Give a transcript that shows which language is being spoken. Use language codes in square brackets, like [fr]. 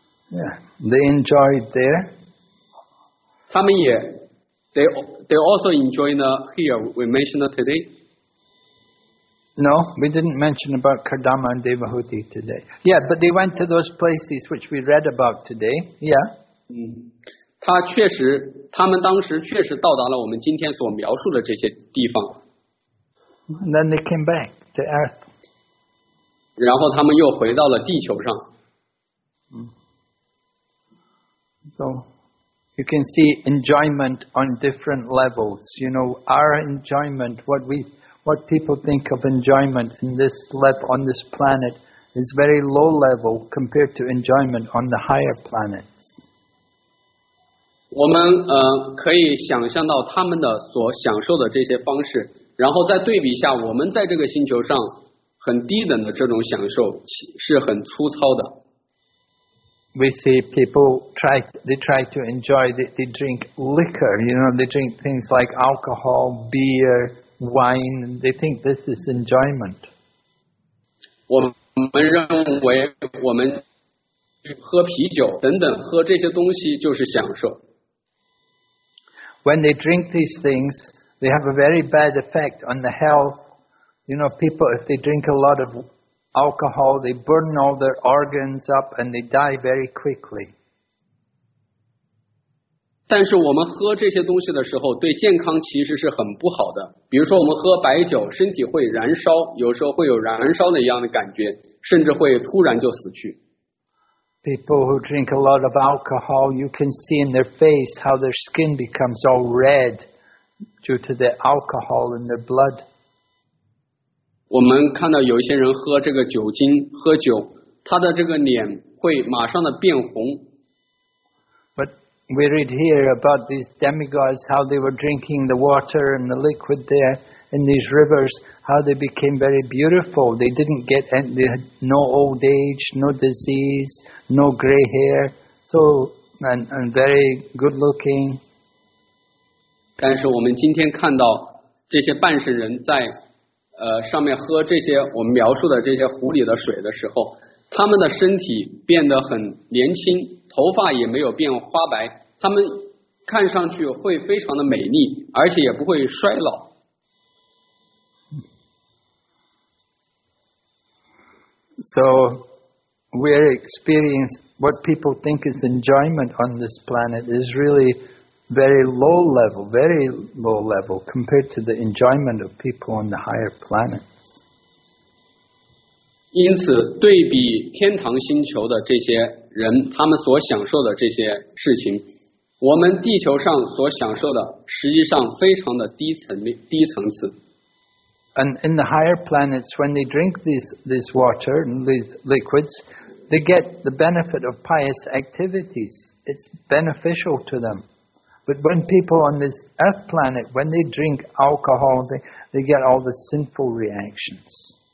[en] Yeah, they enjoyed there. [zh] 他们也 [en] they also enjoy the here we mentioned today. No, we didn't mention about Kardama and Devahuti today. Yeah, but they went to those places which we read about today. Yeah. 嗯。 [zh] 他们当时确实到达了我们今天所描述的这些地方。 [en] And then they came back to Earth. [zh] 然后他们又回到了地球上。 [en] So, you can see enjoyment on different levels. You know, our enjoyment, what people think of enjoyment in this level, on this planet, is very low level compared to enjoyment on the higher planet. [zh] 我们可以想象到他们的所享受的这些方式，然后再对比一下我们在这个星球上很低等的这种享受是很粗糙的。 [en] We see people try to enjoy, they drink liquor, you know, they drink things like alcohol, beer, wine, and they think this is enjoyment. [zh] 我们认为我们喝啤酒等等喝这些东西就是享受。 [en] When they drink these things, they have a very bad effect on the health. You know, people, if they drink a lot of alcohol, they burn all their organs up and they die very quickly. [zh] 但是我们喝这些东西的时候对健康其实是很不好的。比如说我们喝白酒身体会燃烧，有时候会有燃烧的一样的感觉，甚至会突然就死去。 [en] People who drink a lot of alcohol, you can see in their face how their skin becomes all red due to the alcohol in their blood. [zh] 我们看到有一些人喝这个酒精喝酒，他的这个脸会马上的变红。 [en] But we read here about these demigods, how they were drinking the water and the liquid there in these rivers, how they became very beautiful. They didn't get any, they had no old age, no disease, no gray hair, so and very good looking. [zh] 但是我们今天看到这些半神人在上面喝这些我们描述的这些湖里的水的时候，他们的身体变得很年轻，头发也没有变花白，他们看上去会非常的美丽，而且也不会衰老。 [en] So we're experience what people think is enjoyment on this planet is really very low level compared to the enjoyment of people on the higher planets. [zh] 因此，对比天堂星球的这些人，他们所享受的这些事情，我们地球上所享受的实际上非常的低层次。 [en] And in the higher planets, when they drink this water and these liquids, they get the benefit of pious activities. It's beneficial to them. But when people on this earth planet, when they drink alcohol, they get all the sinful reactions.